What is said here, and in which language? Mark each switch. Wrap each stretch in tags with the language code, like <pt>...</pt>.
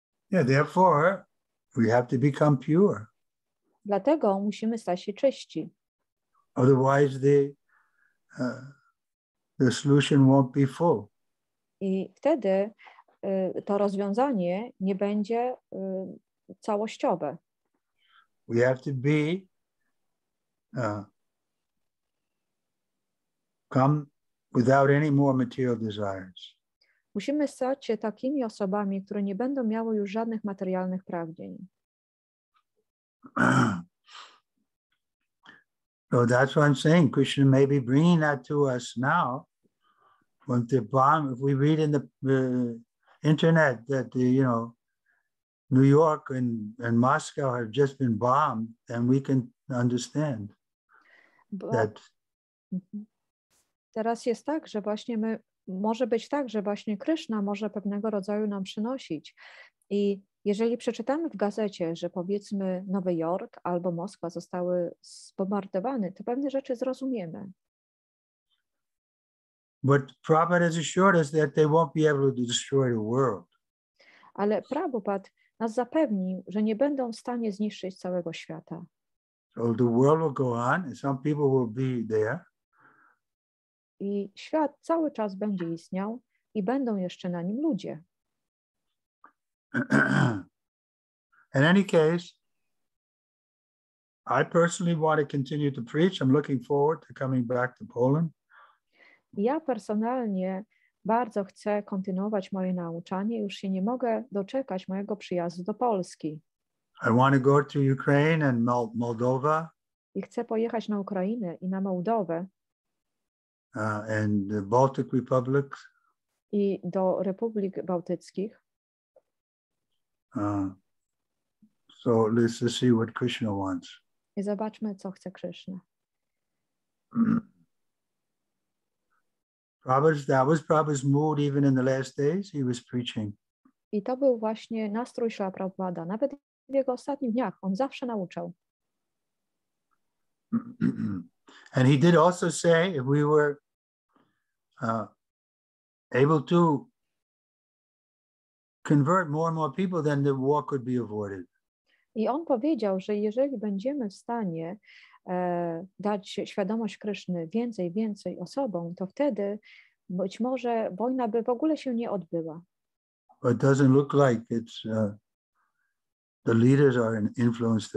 <en>Yeah, therefore we have to become pure.</en> <pl>Dlatego musimy stać się czyści.</pl> <en>Otherwise the solution won't be full.</en> <pl>I wtedy to rozwiązanie nie będzie całościowe.</pl> <en>We have to be come without any more material desires.</en> <pl>Musimy stać się takimi osobami, które nie będą miały już żadnych materialnych pragnień.</pl> <en>So that's what I'm saying. Krishna may be bringing that to us now. When the bomb, if we read in the internet that the, you know, New York and Moscow have just been bombed, then we can understand that.</en> <pl>Teraz jest tak, że właśnie my, może być tak, że właśnie Krishna może pewnego rodzaju nam przynosić. I jeżeli przeczytamy w gazecie, że powiedzmy Nowy Jork albo Moskwa zostały zbombardowane, to pewne rzeczy zrozumiemy.</pl> <en>But Prabhupada has assured us that they won't be able to destroy the world.</en> <pl>Ale Prabhupada nas zapewnił, że nie będą w stanie zniszczyć całego świata.</pl> <en>So the world will go on and some people will be there.</en> <pl>I świat cały czas będzie istniał i będą jeszcze na nim ludzie.</pl> <en>In any case, I personally want to continue to preach. I'm looking forward to coming back to Poland.</en> <pl>Ja personalnie bardzo chcę kontynuować moje nauczanie. Już się nie mogę doczekać mojego przyjazdu do Polski.</pl> <en>I want to go to Ukraine and Moldova.</en> <pl>I chcę pojechać na Ukrainę i na Mołdowę.</pl> <en>And the Baltic republics.</en> <pl>I do republik bałtyckich.</pl> <en>So let's see what Krishna wants.</en> <pl>I zobaczmy, co chce Krishna.</pl> <en>That was Prabhupada's mood even in the last days. He was preaching.</en> <pl>I to był właśnie nastrój Śla Prabhupada. Nawet w jego ostatnich dniach on zawsze nauczał.</pl> <en>And he did also say, if we were able to convert more and more people, then the war could be avoided.</en> <pl>I on powiedział, że jeżeli będziemy w stanie dać świadomość Kryszny więcej, więcej osobom, to wtedy być może wojna by w ogóle się nie odbyła.</pl> <en>But it doesn't look like it's the leaders are influenced at all.</en>